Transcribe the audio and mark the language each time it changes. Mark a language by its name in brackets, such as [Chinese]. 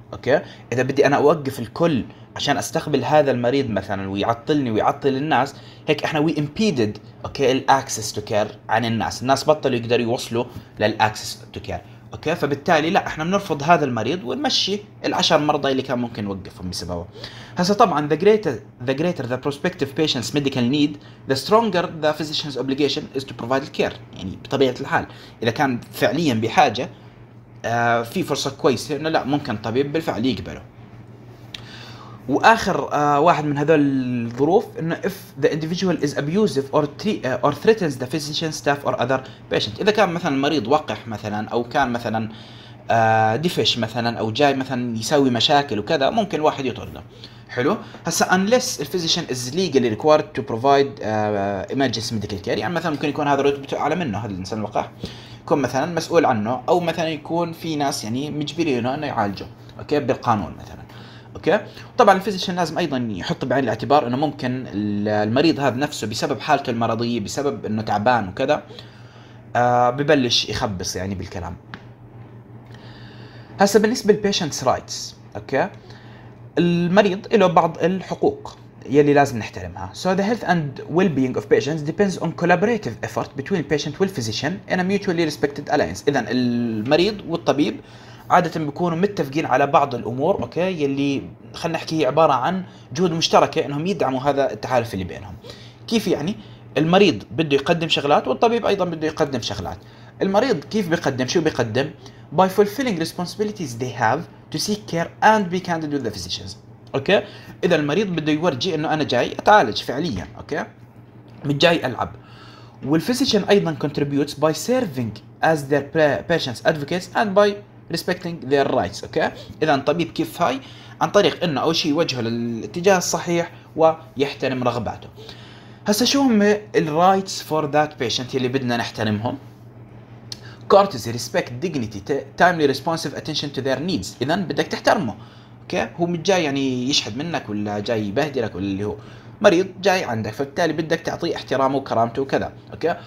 [Arabic] اوكي اذا بدي انا اوقف الكل عشان استقبل هذا المريض مثلا ويعطلني ويعطل الناس، هيك احنا [English] we impeded [Arabic] اوكي الاكسس تو كير عن الناس، الناس بطلوا يقدروا يوصلوا للاكسس تو كير. اوكي فبالتالي لا احنا بنرفض هذا المريض ونمشي العشر مرضى اللي كان ممكن نوقفهم بسببه. هسه طبعا [English] the greater the prospective patient's medical need the stronger the physician's obligation is to provide the care. [Arabic] يعني بطبيعه الحال اذا كان فعليا بحاجه في فرصه كويسه انه لا ممكن الطبيب بالفعل يقبله. واخر واحد من هذول الظروف انه [English] if the individual is abusive or or threatens the physician staff or other patient. [Arabic] اذا كان مثلا المريض وقح مثلا او كان مثلا دفش مثلا او جاي مثلا يسوي مشاكل وكذا ممكن واحد يطرده. حلو هسه [English] unless the physician is legally required to provide emergency medical care، [Arabic] يعني مثلا ممكن يكون هذا رتبته اعلى منه هذا الانسان الوقح يكون مثلا مسؤول عنه او مثلا يكون في ناس يعني مجبرينه انه يعالجه اوكي بالقانون مثلا. اوكي طبعا الفيزيشن لازم ايضا يحط بعين الاعتبار انه ممكن المريض هذا نفسه بسبب حالته المرضيه بسبب انه تعبان وكذا ببلش يخبص يعني بالكلام. هسه بالنسبه للبيشنتس رايتس، اوكي المريض له بعض الحقوق يلي لازم نحترمها. [English] so the health and well-being of patients depends on collaborative effort between patient and physician in a mutually respected alliance. [Arabic] اذا المريض والطبيب عادة بيكونوا متفقين على بعض الأمور، أوكي؟ يلي خلنا نحكي هي عبارة عن جهود مشتركة إنهم يدعموا هذا التحالف اللي بينهم. كيف يعني؟ المريض بده يقدم شغلات والطبيب أيضاً بده يقدم شغلات. المريض كيف بيقدم؟ شو بيقدم؟ [English] by fulfilling responsibilities they have to seek care and be candid with the physicians. [Arabic] أوكي؟ إذا المريض بده يورجي إنه أنا جاي أتعالج فعلياً، أوكي؟ مش جاي ألعب. [English] والphysician أيضاً contributes by serving as their patients' advocates and by respecting their rights. [Arabic] اوكي اذا الطبيب كيف هاي عن طريق انه اول شيء يوجهه للاتجاه الصحيح ويحترم رغباته. هسه شو هم [English] الرايتس for that patient [Arabic] اللي بدنا نحترمهم؟ [English] courtesy respect dignity timely responsive attention to their needs. [Arabic] اذا بدك تحترمه اوكي هو مش جاي يعني يشحد منك ولا جاي يبهدلك ولا اللي هو مريض جاي عندك فبالتالي بدك تعطيه احترامه وكرامته وكذا اوكي.